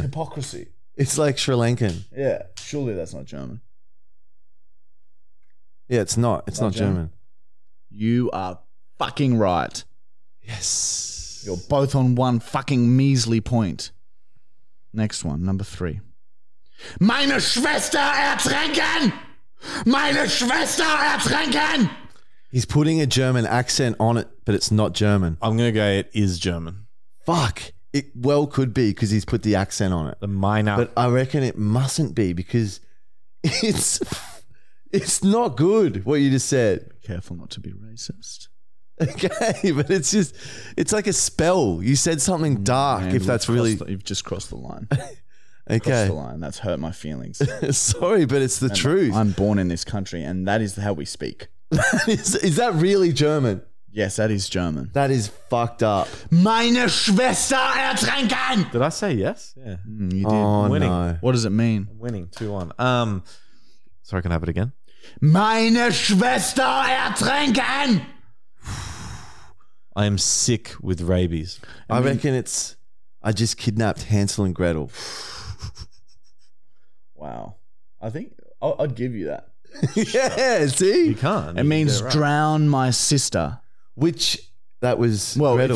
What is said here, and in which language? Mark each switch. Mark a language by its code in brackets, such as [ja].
[en] It's hypocrisy. It's like Sri Lankan. Yeah, surely that's not German. Yeah, it's not. It's not, not German. You are fucking right. Yes. You're both on one fucking measly point. Next one, number three. [de] Meine Schwester ertränken! Meine Schwester ertränken! [en] He's putting a German accent on it, but it's not German. I'm going to go, it is German. Fuck. It well could be because he's put the accent on it. The minor. But I reckon it mustn't be because it's it's not good what you just said. Be careful not to be racist. Okay, but it's just, it's like a spell. You said something dark. Man, if that's really... You've just crossed the line. Okay. Crossed the line. That's hurt my feelings. Sorry, but it's the truth. I'm born in this country and that is how we speak. Is that really German? Yes, that is German. That is fucked up. [de] Meine Schwester ertränken! [en] Did I say yes? Yeah. Mm, you did. Oh, winning. No. What does it mean? I'm winning. 2-1. Sorry, can I have it again? [de] Meine Schwester ertränken! [en] I am sick with rabies. I mean, reckon it's... I just kidnapped Hansel and Gretel. Wow. I think... I'd give you that. Yeah, see? You can't. It means right. Drown my sister. Which, that was well, Gretel.